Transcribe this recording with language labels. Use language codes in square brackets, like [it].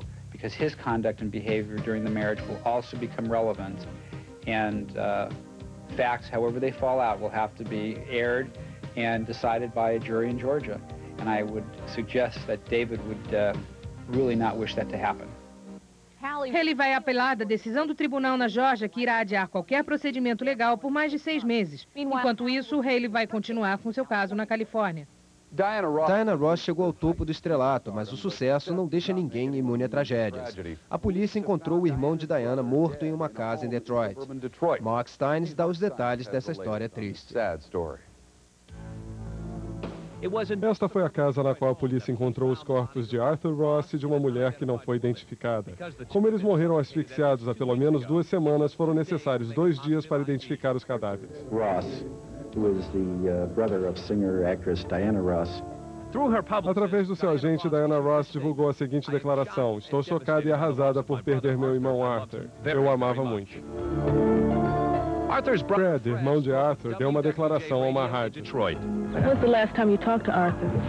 [en] Because his conduct and behavior during the marriage will also become relevant, and facts, however they fall out, will have to be aired and decided by a jury in Georgia. And I would suggest that David would really not wish that to happen. [pt] Halle vai apelar da decisão do tribunal na Geórgia, que irá adiar qualquer procedimento legal por mais de 6 meses. Enquanto isso, Halle vai continuar com seu caso na Califórnia. Diana Ross chegou ao topo do estrelato, mas o sucesso não deixa ninguém imune a tragédias. A polícia encontrou o irmão de Diana morto em uma casa em Detroit. Mark Steins dá os detalhes dessa história triste. Esta foi a casa na qual a polícia encontrou os corpos de Arthur Ross e de uma mulher que não foi identificada. Como eles morreram asfixiados há pelo menos 2 semanas, foram necessários 2 dias para identificar os cadáveres. [en] Ross was the brother of singer actress Diana Ross. [pt] Através do seu agente, Diana Ross divulgou a seguinte declaração: "Estou chocada e arrasada por perder meu irmão Arthur. Eu o amava muito." Fred, irmão de Arthur, deu uma declaração a uma rádio. [en] When's the last time you talked to Arthur?